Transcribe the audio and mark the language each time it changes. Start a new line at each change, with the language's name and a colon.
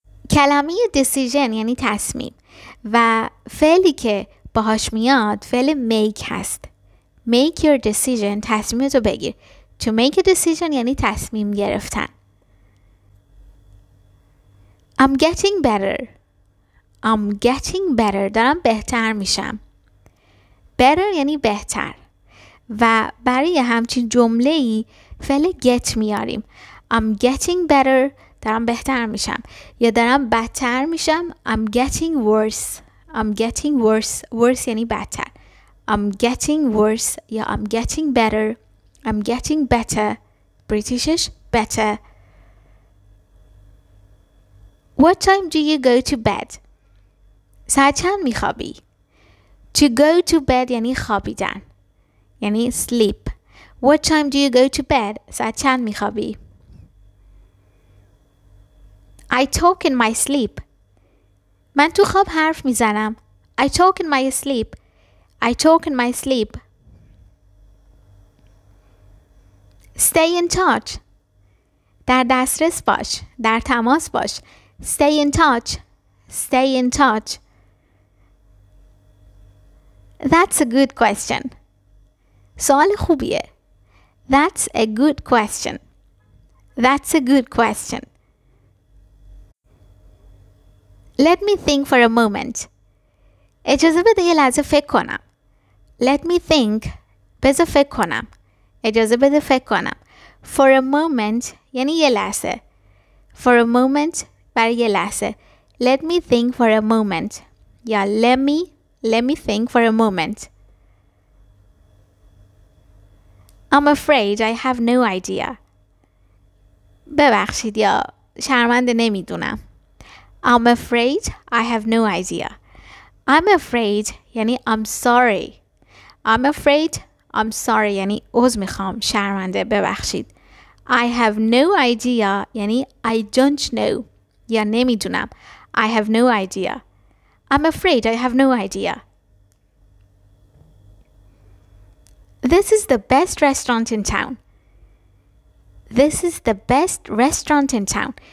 Persian: کلمه decision یعنی تصمیم و فعلی که باهاش میاد فعل make هست.
English: Make your decision.
Persian: تصمیم تو بگیر.
English: To make a decision
Persian: یعنی تصمیم گرفتن.
English: I'm getting better. I'm getting better.
Persian: دارم بهتر میشم. Better یعنی بهتر. و برای همچین جمله‌ای فعل get میاریم.
English: I'm getting better.
Persian: دارم بهتر میشم. یا دارم بدتر میشم.
English: I'm getting worse. I'm getting worse.
Persian: Worse یعنی بدتر.
English: I'm getting worse. یا I'm getting better. I'm getting better. Britishش better. What time do you go to bed?
Persian: ساعت چند میخوابی؟
English: To go to bed
Persian: یعنی خوابیدن. یعنی sleep.
English: What time do you go to bed?
Persian: ساعت چند میخوابی؟
English: I talk in my sleep.
Persian: من تو خواب حرف میزنم.
English: I talk in my sleep. I talk in my sleep. Stay in touch.
Persian: در دسترس باش. در تماس باش.
English: Stay in touch. Stay in touch. That's a good question.
Persian: سوال خوبیه.
English: That's a good question. That's a good question. Let me think for a moment.
Persian: اجازه بده یه لحظه فکر کنم.
English: Let me think.
Persian: بذار فکر کنم. اجازه بده فکر کنم.
English: For a moment
Persian: یعنی یه لحظه. For a moment برای یه لحظه.
English: Let me think for a moment. یا let me think for a moment. I'm afraid I have no idea.
Persian: ببخشید یا شرمنده نمیدونم.
English: I'm afraid I have no idea. I'm afraid یعنی I'm sorry. I'm afraid I'm sorry
Persian: یعنی عذر میخوام شرمنده ببخشید.
English: I have no idea یعنی I don't know
Persian: یا نمیدونم.
English: I have no idea. I'm afraid I have no idea. This is the best restaurant in town. This is the best restaurant in town.